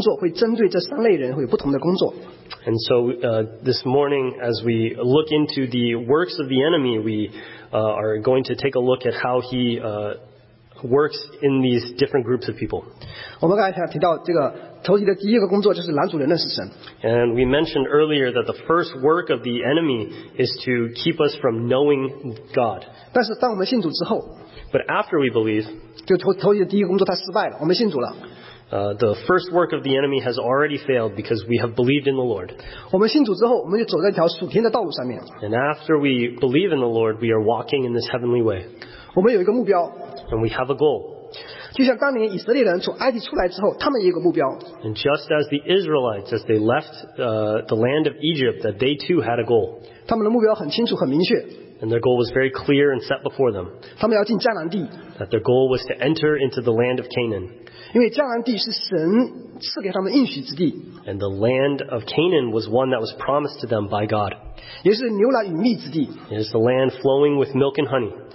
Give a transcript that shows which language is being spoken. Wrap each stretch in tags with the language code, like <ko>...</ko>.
<zh>今天早上的话，我们可能会看见仇敌的工作，会针对这三类人会有不同的工作。</zh> <en>And so this morning, as we look into the works of the enemy, we are going to take a look at how he works in these different groups of people.</en> <zh>我们刚才提到这个。</zh> <en>And we mentioned earlier that the first work of the enemy is to keep us from knowing God. But after we believe,</en> <zh>就投机的第一个工作他失败了，我们信主了。</zh> <en>The first work of the enemy has already failed because we have believed in the Lord. And after we believe in the Lord, we are walking in this heavenly way. And we have a goal.</en> <zh>就像当年以色列人从埃及出来之后，他们也有个目标。</zh> <en>And just as the Israelites, as they left the land of Egypt, that they too had a goal.</en> <zh>他们的目标很清楚，很明确。</zh> <en>And their goal was very clear and set before them.</en> <zh>他们要进迦南地。</zh> <en>That their goal was to enter into the land of Canaan.</en> <zh>因为迦南地是神赐给他们应许之地。</zh> <en>And the land of Canaan was one that was promised to them by God.</en> <zh>也是牛奶与蜜之地。</zh> <en>It is the land flowing with milk and honey.</en>